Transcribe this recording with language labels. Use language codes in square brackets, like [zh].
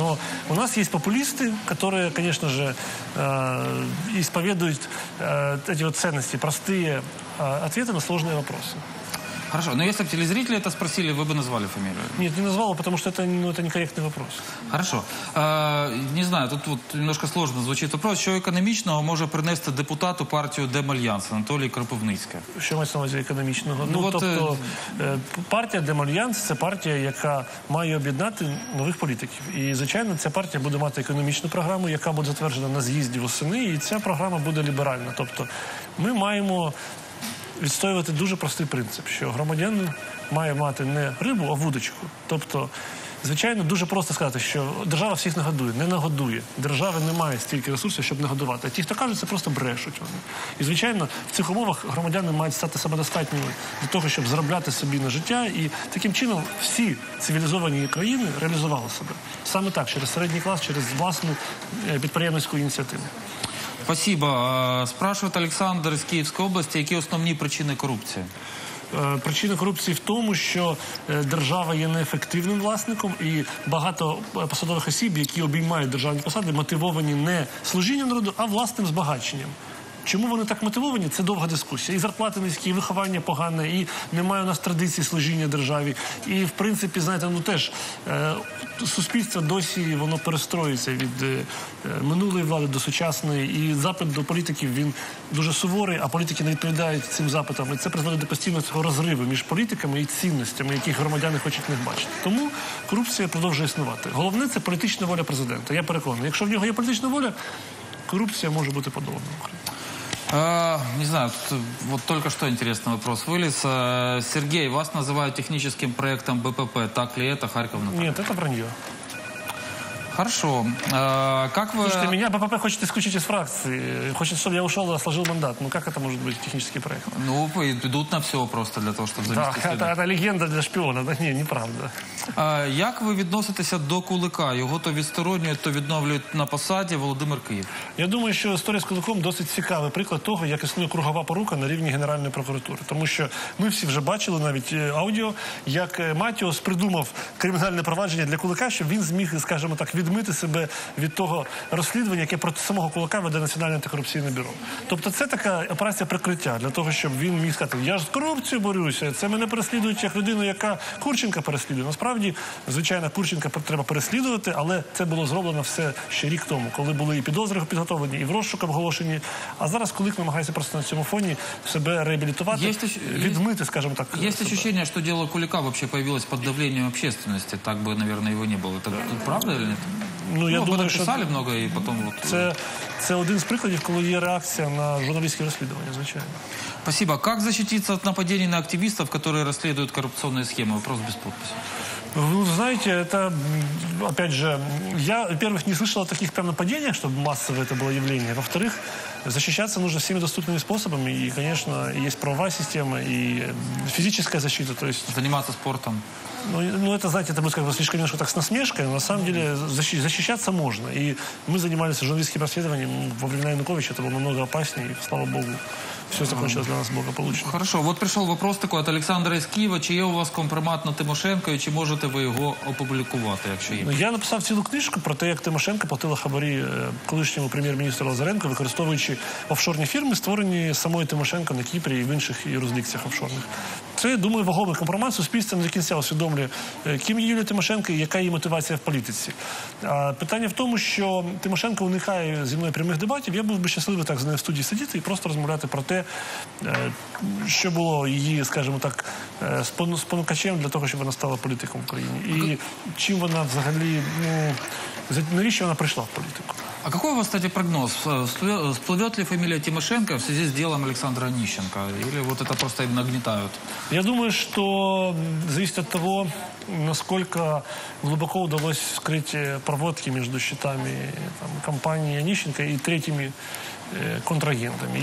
[ru] Но у нас есть популисты, которые, конечно же, исповедуют эти вот ценности, простые ответы на сложные вопросы. Хорошо, но если бы телезрители это спросили, вы бы назвали фамилию? Нет, не назвал, потому что это, ну, это некорректный вопрос. Хорошо. Не знаю, тут вот немножко сложно звучит вопрос. Что экономичного может принести депутату партию «Демальянс» Анатолий Кропивницкий? Что мы с вами взяли экономичного? Ну, вот, партия «Демальянс» – это партия, [uk] яка має об'єднати нових політиків. И, звичайно, ця партія буде мати економічну програму, яка буде затверджена на з'їзді восени, і ця програма буде ліберальна. Тобто, ми маємо відстоювати дуже простий принцип, що громадянин має мати не рибу, а вудочку. Тобто, звичайно, дуже просто сказати, що держава всіх не нагодує. Держави немає стільки ресурсів, щоб нагодувати. А ті, хто кажуть, це просто брешуть вони. І, звичайно, в цих умовах громадяни мають стати самодостатніми для того, щоб заробляти собі на життя. І таким чином всі цивілізовані країни реалізували себе. Саме так, через середній клас, через власну підприємницьку ініціативу. [ru] Спасибо. Спрашивает Александр из Киевской области, какие основные причины коррупции? [uk] Причина корупції в тому, що держава є неефективним власником і багато посадових осіб, які обіймають державні посади, мотивовані не служінням народу, а власним збагаченням. Чому вони так мотивовані? Це довга дискусія. І зарплати низькі, і виховання погане, і немає у нас традиції служіння державі. І, в принципі, знаєте, ну теж суспільство досі воно перестроюється від минулої влади до сучасної. І запит до політиків, він дуже суворий, а політики не відповідають цим запитам. І це призводить до постійного цього розриву між політиками і цінностями, які громадяни хочуть них бачити. Тому корупція продовжує існувати. Головне – це політична воля президента. Я переконаний, якщо в нього є політична воля, корупція може бути подолана в Україні. [ru] Не знаю, тут вот только что интересный вопрос вылез. Сергей, вас называют техническим проектом БПП. Так ли это, Харьков? Нет, это вранье. Хорошо. Как вы... Слушайте, меня БПП хочет исключить из фракции. Хочет, чтобы я ушел и сложил мандат. Ну как это может быть технический проект? Ну, идут на все просто для того, чтобы замести следы. Так, это легенда для шпиона. Да, не, неправда. [uk] Як ви відноситеся до Кулика? Його то відсторонюють, то відновлюють на посаді Володимир Київ. Я думаю, що історія з Куликом досить цікавий приклад того, як існує кругова порука на рівні Генеральної прокуратури. Тому що ми всі вже бачили навіть аудіо, як Матіос придумав кримінальне провадження для Кулика, щоб він зміг, скажімо так, відмити себе від того розслідування, яке проти самого Кулика веде Національне антикорупційне бюро. Тобто це така операція прикриття для того, щоб він міг сказати, я ж з корупцією борюся, це мене переслідують як людину, яка Курченка переслідує. Насправді, звичайно, Курченка треба переслідувати, але це було зроблено все ще рік тому, коли були і підозри підготовлені, і в розшук оголошені. А зараз Кулик намагається просто на цьому фоні себе реабілітувати, відмити, скажімо так. Є відчуття, що діло Кулика взагалі появилось під давлінням общественності. Так би, мабуть, його не було. Це правда чи ні? Ну, я думаю, що... писали багато і потім... Це один з прикладів, коли є реакція на журналістські розслідування, звичайно. [ru] Спасибо. Как защититься от нападений на активистов, которые расследуют коррупционные схемы? Вопрос без подписи. Ну, знаете, это, опять же, я, во-первых, не слышал о таких прям нападениях, чтобы массовое это было явление. Во-вторых, защищаться нужно всеми доступными способами. И, конечно, есть правовая система и физическая защита. То есть... Заниматься спортом. Ну, это, знаете, это будет как бы слишком немножко так с насмешкой, но на самом деле защищаться можно. И мы занимались журналистским расследованием во времена Януковича, это было намного опаснее, и, слава богу, все закончилось для нас благополучно. Хорошо, вот пришел вопрос такой от Александра из Киева. [uk] Чи є у вас компромат на Тимошенко, и чи можете [ru] вы его опубликовать, [uk] якщо є? [ru] Ну, я написал [uk] цілу книжку про те, як Тимошенко платила хабарі колишньому прем'єр-міністру Лазаренко, використовуючи офшорні фірми, створені самою Тимошенко на Кіпрі і в інших юрисдикціях офшорних. Це, думаю, вагомий компромат. Суспільство не до кінця усвідомлює, ким є Юлія Тимошенко і яка її мотивація в політиці. А питання в тому, що Тимошенко уникає зі мною прямих дебатів. Я був би щасливий так з нею в студії сидіти і просто розмовляти про те, що було її, скажімо так, спонукачем для того, щоб вона стала політиком в Україні. І чим вона взагалі, ну, навіщо вона прийшла в політику. [ru] А какой у вас, кстати, прогноз? Сплывет ли фамилия Тимошенко в связи с делом Александра Онищенко? Или вот это просто им нагнетают? Я думаю, что зависит от того, насколько глубоко удалось вскрыть проводки между счетами там, компании Онищенко и третьими контрагентами.